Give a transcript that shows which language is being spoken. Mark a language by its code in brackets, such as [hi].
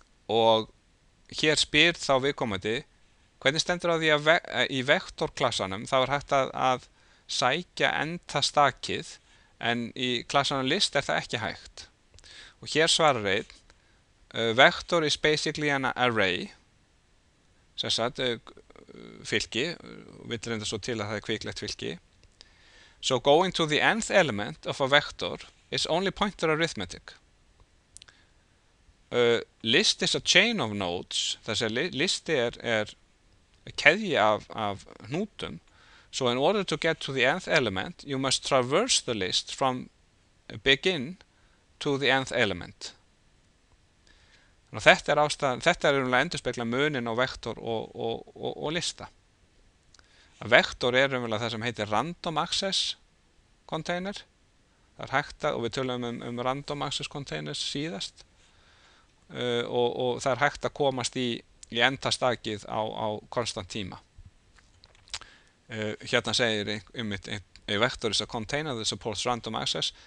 [is] Og hér spyr þá viðkomandi, hvernig stendur að því að í vektorklassanum þá er hægt að sækja enda stakið en í klassanum list er það ekki hægt. Og hér svarar einn, [en] vektor is basically an array, [is] sem sagt, fylki, við reyndum svo til að það er kvíklegt fylki. [en] So going to the nth element of a vector is only pointer arithmetic. List is a chain of nodes, [is] þess að listi er keðji af hnútum. [en] So in order to get to the nth element, you must traverse the list from begin to the nth element. [is] Og þetta er ástæðan, þetta er raunverulega endurspegla muninn á vektor og lista. Að vektor er raunverulega það sem heitir random access container. Það er hægt að, og við tölum um random access containers síðast. Og það er hægt að komast í endastakið á konstant tíma. Hérna segir [en] a vector is a container that supports random access.